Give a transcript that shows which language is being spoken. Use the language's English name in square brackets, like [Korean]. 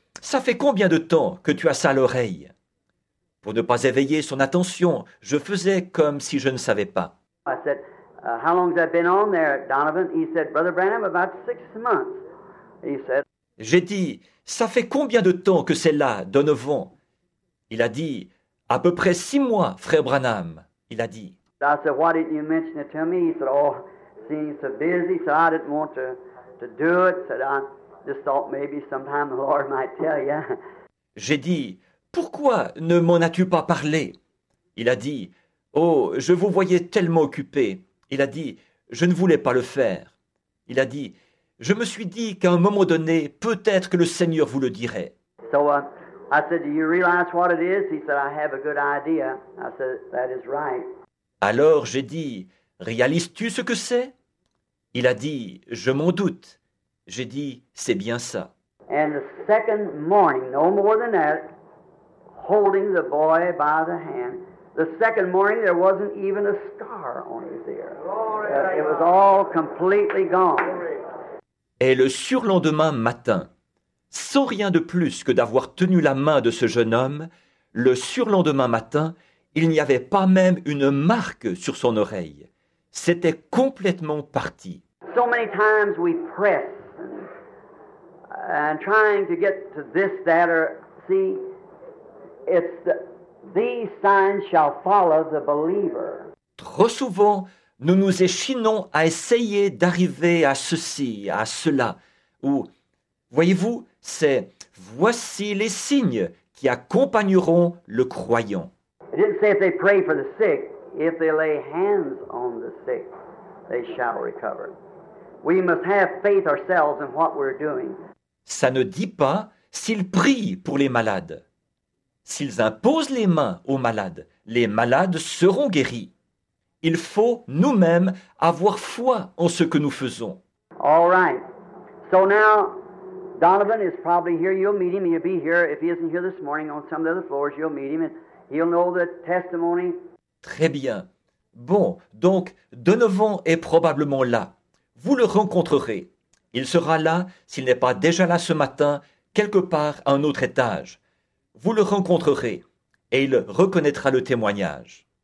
[French] Ça fait combien de temps que tu as ça à l'oreille? Pour ne pas éveiller son attention, je faisais comme si je ne savais pas. [English] I said, how long has that been on there, Donovan? He said, Brother Branham, about 6 months. He said... [French] J'ai dit, ça fait combien de temps que c'est là, Donovan? Il a dit, à peu près 6 mois, frère Branham. Il a dit. [English] I said, why didn't you mention it to me? He said, oh... He's so busy, so I didn't want to do it. Said I just thought maybe sometime the Lord might tell you. [French] J'ai dit, pourquoi ne m'en as-tu pas parlé? Il a dit, oh, je vous voyais tellement occupé. Il a dit, je ne voulais pas le faire. Il a dit, je me suis dit qu'à un moment donné, peut-être que le Seigneur vous le dirait. [English] So I said, do you realize what it is? He said, I have a good idea. I said, that is right. [French] Alors j'ai dit. Réalises-tu ce que c'est? Il a dit, je m'en doute. J'ai dit, c'est bien ça. [English] And the second morning, no more than that, holding the boy by the hand, the second morning there wasn't even a scar on his ear. It was all completely gone. [French] Et le surlendemain matin, sans rien de plus que d'avoir tenu la main de ce jeune homme, le surlendemain matin, il n'y avait pas même une marque sur son oreille. C'était complètement parti. [English] So many times we press and trying to get to this, that, or see, it's these signs shall follow the believer. [French] Trop souvent, nous nous échinons à essayer d'arriver à ceci, à cela, ou, voyez-vous, c'est voici les signes qui accompagneront le croyant. [English] I didn't say if they pray for the sick. If they lay hands on the sick, they shall recover. We must have faith ourselves in what we're doing. [French] Ça ne dit pas s'ils prient pour les malades. S'ils imposent les mains aux malades, les malades seront guéris. Il faut nous-mêmes avoir foi en ce que nous faisons. [English] All right. So now, Donovan is probably here. You'll meet him. He'll be here. If he isn't here this morning, on some of the other floors, you'll meet him. And he'll know the testimony. [French] Très bien. Bon, donc, Donovan est probablement là. Vous le rencontrerez. Il sera là, s'il n'est pas déjà là ce matin, quelque part à un autre étage. Vous le rencontrerez et il reconnaîtra le témoignage.